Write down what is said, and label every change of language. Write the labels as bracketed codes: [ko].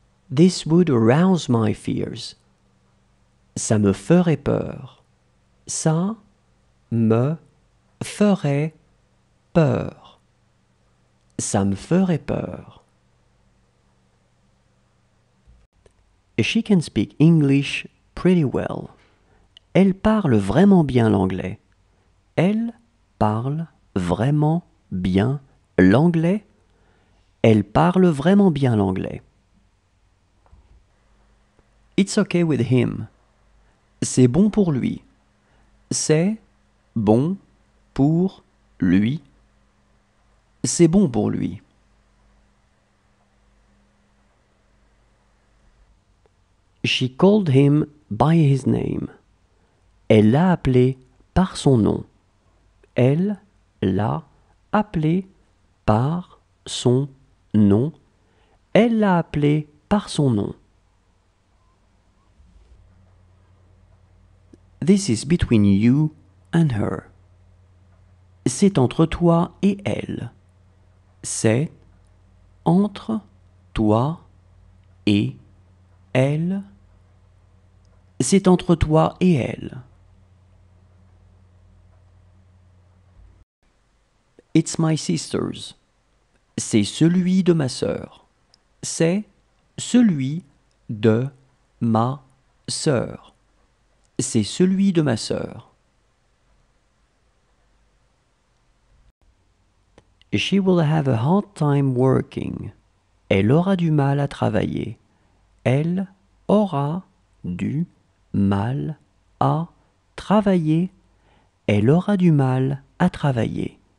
[en] This would arouse my fears. [fr] Ça me ferait peur. Ça me ferait peur. Ça me ferait peur. [en] She can speak English pretty well. [fr] Elle parle vraiment bien l'anglais. Elle parle vraiment bien l'anglais. Elle parle vraiment bien l'anglais. [en] It's okay with him. [fr] C'est bon pour lui. C'est bon pour lui. C'est bon pour lui. [en] She called him by his name. [fr] Elle l'a appelé par son nom. Elle l'a appelé par son nom. Elle l'a appelé par son nom. [en] This is between you and her. [fr] C'est entre toi et elle. C'est entre toi et elle. C'est entre toi et elle. [en] It's my sister's. [fr] C'est celui de ma sœur. C'est celui de ma sœur. C'est celui de ma sœur. [en] She will have a hard time working. [fr] Elle aura du mal à travailler. Elle aura du mal à travailler. Elle aura du mal à travailler.